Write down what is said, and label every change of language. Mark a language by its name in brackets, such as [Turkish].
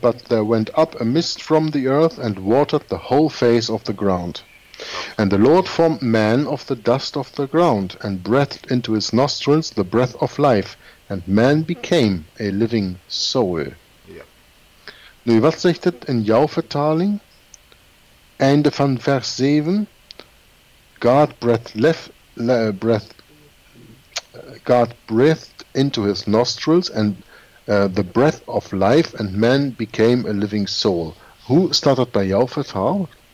[English] But there went up a mist from the earth and watered the whole face of the ground. And the Lord formed man of the dust of the ground and breathed into his nostrils the breath of life, and man became a living soul. [Dutch] Ja. Nu, wat zegt het in jouw vertaling? Einde van vers 7. [English] God breathed into his nostrils and The breath of life and man became a living soul. [Dutch] Hoe staat dat bij jouw verhaal?